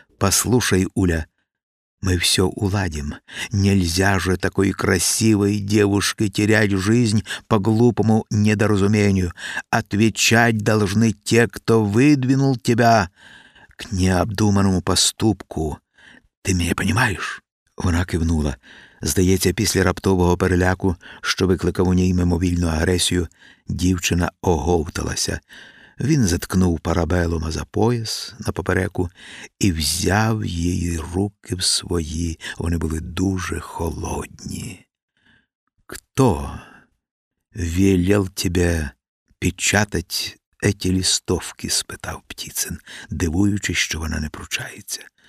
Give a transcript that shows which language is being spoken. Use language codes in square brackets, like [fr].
[ru] Послушай, Уля, мы все уладим. Нельзя же такой красивой девушке терять жизнь по глупому недоразумению. Отвечать должны те, кто выдвинул тебя к необдуманному поступку. Ты меня понимаешь?» [uk] Вона кивнула. Здається, після раптового переляку, що викликав у ній мимовільну агресію, дівчина оговталася. Він заткнув парабелома за пояс на попереку і взяв її руки в свої. Вони були дуже холодні. [ru] «Кто велел тебе печатать эти листовки?» [uk] – спитав Птицин, дивуючись, що вона не пручається.